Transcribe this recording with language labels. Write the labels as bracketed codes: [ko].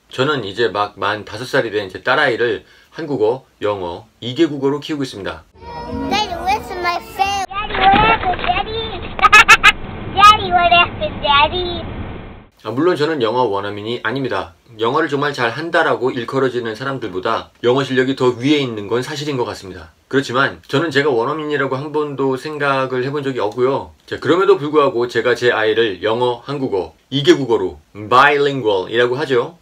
[ko] 저는 이제 막만 5살이 된 제 딸아이를 한국어, 영어, 2개 국어로 키우고 있습니다. [en] Daddy, where's my friend? Daddy, what happened, Daddy? Daddy, what happened, Daddy? [ko] 아, 물론 저는 영어 원어민이 아닙니다. 영어를 정말 잘 한다라고 일컬어지는 사람들보다 영어 실력이 더 위에 있는 건 사실인 것 같습니다. 그렇지만 저는 제가 원어민이라고 한 번도 생각을 해본 적이 없고요. 자, 그럼에도 불구하고 제가 제 아이를 영어, 한국어, 2개 국어로 bilingual이라고 하죠.